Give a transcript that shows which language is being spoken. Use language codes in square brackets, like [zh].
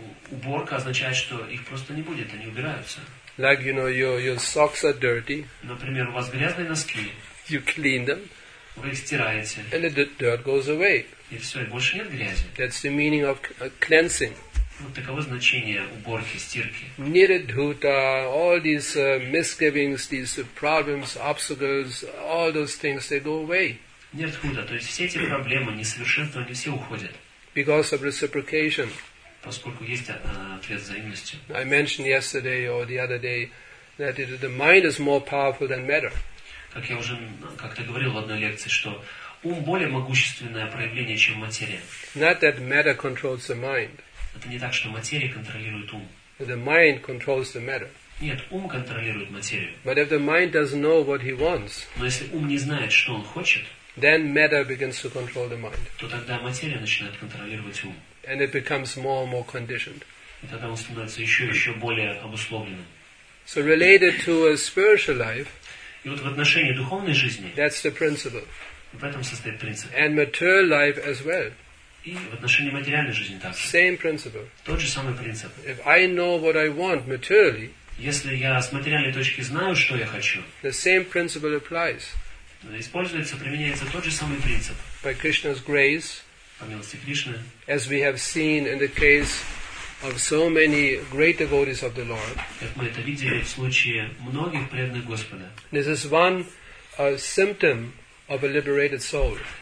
[ru] Уборка означает, что их просто не будет, они убираются. [en] Like, you know, your socks are dirty. [ru] Например, у вас грязные носки. [en] You clean them. [ru] Вы их стираете. [en] And the dirt goes away. [ru] И все, и больше нет грязи. [en] That's the meaning of cleansing. [ru] Вот таково значение уборки, стирки. [en] Nirdhuta, all these misgivings, these problems, obstacles, all those things, they go away. [ru] Нет худа, то есть все эти проблемы, несовершенства, они все уходят. [en] Because of reciprocation. [ru] Поскольку есть ответ взаимности. [en] I mentioned yesterday or the other day that the mind is more powerful than matter. [ru] Как я уже как-то говорил в одной лекции, что ум более могущественное проявление, чем материя. [en] Not that matter controls the mind. [ru] Это не так, что материя контролирует ум. [en] The mind controls the matter. [ru] Нет, ум контролирует материю. [en] But if the mind doesn't know what he wants. [ru] Но если ум не знает, что он хочет. [en] Then matter begins to control the mind. [ru] То тогда материя начинает контролировать ум. [en] And it becomes more and more conditioned. [ru] И тогда он становится еще более обусловленным. [en] So related to a spiritual life. [ru] И вот в отношении духовной жизни. [en] That's the principle. [ru] В этом состоит принцип. [en] And material life as well. [ru] И в отношении материальной жизни также. [en] Same principle. [ru] Тот же самый принцип. [en] If I know what I want materially. [ru] Если я с материальной точки знаю, что я хочу. [en] The same principle applies. [ru] Используется, применяется тот же самый принцип. [en] By Krishna's grace, [ru] по милости Кришны, [en] as we have seen in the case of so many great devotees of the Lord. This is one symptom of a liberated soul.